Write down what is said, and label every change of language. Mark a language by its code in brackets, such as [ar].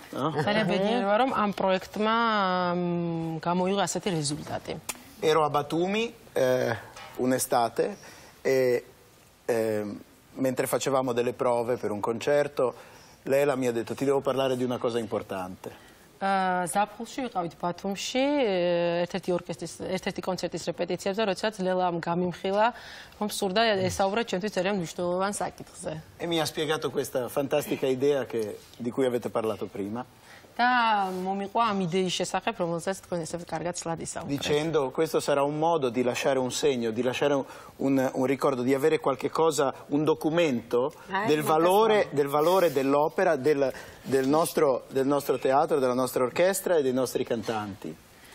[it] sarebbe dire varom am project ma gamoiga aseti risultati ero a Batumi un'estate e mentre facevamo delle prove per un concerto Lela mi ha detto ti devo parlare di una cosa importante [ka] ზაფხულში ვიყავით ბათუმში ერთ-ერთი ორკესტრის ერთ-ერთი კონცერტის რეპეტიციაზე როდესაც ლელა ამ გამიმხილა რომ სურდა ესაუბრა ჩვენთვის ძალიან მნიშვნელოვან საკითხზე [it] e mi ha spiegato questa fantastica idea che di cui avete parlato prima [ka] და მომიყვა ამ იდეის შესახებ რომელსაც თქვენ ესე კარგად სლად ისაუბრეთ [it] dicendo questo sarà un modo di lasciare un segno di lasciare un ricordo di avere qualche cosa un documento del valore dell'opera del nostro teatro della nostra orchestra e dei nostri cantanti